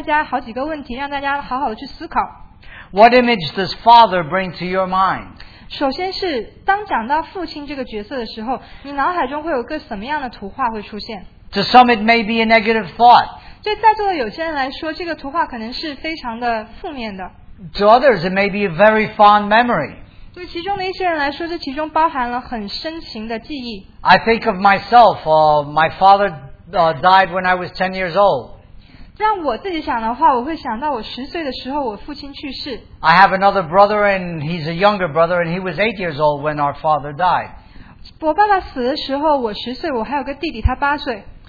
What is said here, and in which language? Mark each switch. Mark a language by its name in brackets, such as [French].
[Chinese] 在我们看这个故事的时候，我也会问大家好几个问题，让大家好好的去思考。 [English] What image does Father bring to your mind? [Chinese] 首先是，当讲到父亲这个角色的时候，你脑海中会有个什么样的图画会出现？ [English] To some it may be a negative thought. [Chinese] 对在座的有些人来说，这个图画可能是非常的负面的。 [English] To others it may be a very fond memory. [Chinese] 对其中的一些人来说，这其中包含了很深情的记忆。 [English] I think of myself, my father died when I was 10 years old. [Chinese] 让我自己想的话，我会想到我十岁的时候，我父亲去世。 [English] I have another brother, and he's a younger brother, and he was 8 years old when our father died. [Chinese] 我爸爸死的时候，我十岁，我还有个弟弟，他八岁。